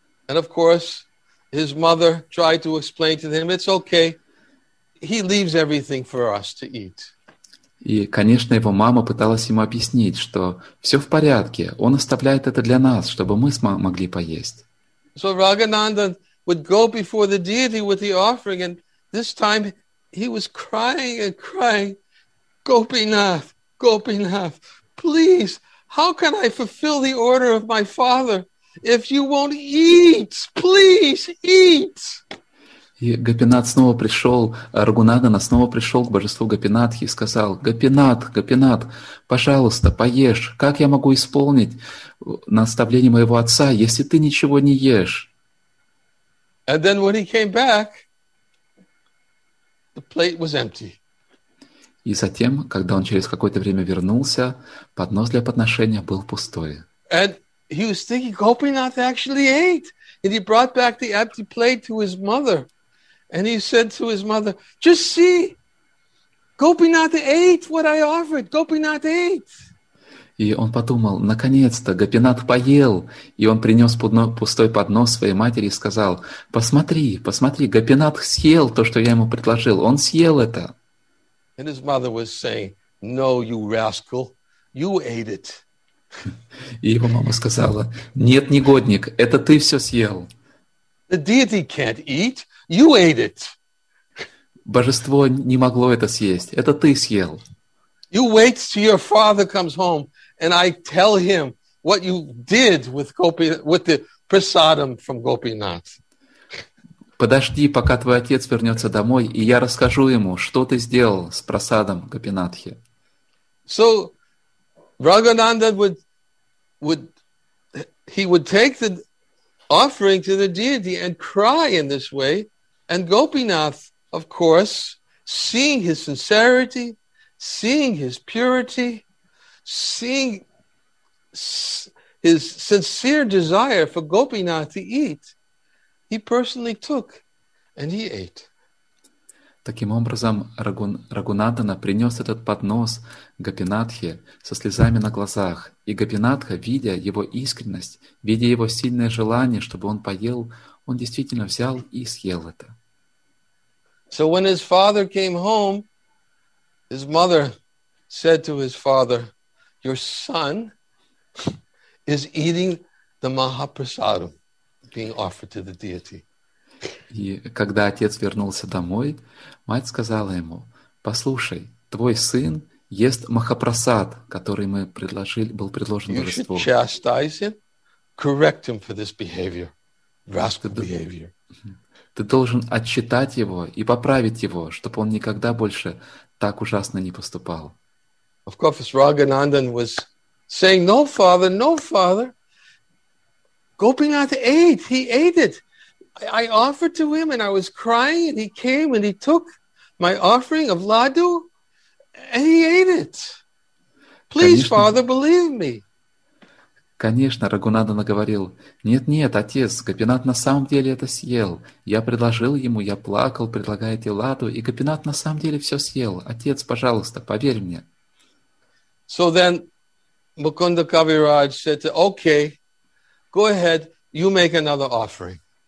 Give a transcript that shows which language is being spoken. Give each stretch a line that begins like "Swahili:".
English: And of course, his mother tried to explain to him, it's okay, he leaves everything for us to eat.
Russian: И, конечно, его мама пыталась ему объяснить, что все в порядке, он оставляет это для нас, чтобы мы могли поесть.
English: So Raghunandan would go before the deity with the offering, and this time he was crying and crying, Gopinath, Gopinath, please, how can I fulfill the order of my father if you won't eat? Please, eat!
Russian: И Гопинат снова пришел, Рагунадана снова пришел к божеству Гопинатхи и сказал: «Гопинат, Гопинат, пожалуйста, поешь. Как я могу исполнить наставление моего отца, если ты ничего не ешь?» И затем, когда он через какое-то время вернулся, поднос для подношения был пустой.
English: And he was thinking, Gopinath actually ate, and he brought back the empty plate to his mother. And he said to his mother, just see, Gopinath ate what I offered. Gopinath ate.
Russian: И он подумал, наконец-то, Гопинат поел. И он принес пустой поднос своей матери и сказал, посмотри, посмотри, Гопинат съел то, что я ему предложил. Он съел это.
English: And his mother was saying, no, you rascal, you ate it.
Russian: И его мама сказала, нет, негодник, это ты все съел.
English: The deity can't eat. You ate it.
Russian: Божество не могло это съесть. Это ты съел.
English: You wait till your father comes home, and I tell him what you did with Gopi, with the prasadam from Gopinath.
Russian: Подожди, пока твой отец вернется домой, и я расскажу ему, что ты сделал с прасадом Гопинатхи.
English: So, Рагунанда would take the offering to the deity and cry in this way. And Gopinath, of course, seeing his sincerity, seeing his purity, seeing his sincere desire for Gopinath to eat, he personally took and he ate.
Russian: Таким образом, Рагунандана принес этот поднос Гопинатхе со слезами на глазах. И Гопинатха, видя его искренность, видя его сильное желание, чтобы он поел, он действительно взял и съел это.
English: So when his father came home, his mother said to his father, your son is eating the Mahaprasadam being offered to the deity.
Russian: И когда отец вернулся домой, мать сказала ему, послушай, твой сын ест Махапрасад, который мы предложили, был предложен you божеству.
English: You should chastise him, correct him for this behavior, rascal behavior.
Russian: Ты должен отчитать его и поправить его, чтобы он никогда больше так ужасно не поступал.
English: Of course, Раганандан was saying, no, father, no, father. Gopinath ate, he ate it. I offered to him and I was crying and he came and he took my offering of ladu and he ate it. Please,
Russian: конечно,
English: father, believe me.
Russian: Конечно, Рагунандана говорил, нет-нет, отец, Гопинат на самом деле это съел. Я предложил ему, я плакал, предлагая тебе ладу, и Гопинат на самом деле все съел. Отец, пожалуйста, поверь мне.
English: So then Mukunda Kaviraj said, okay, go ahead, you make another offering.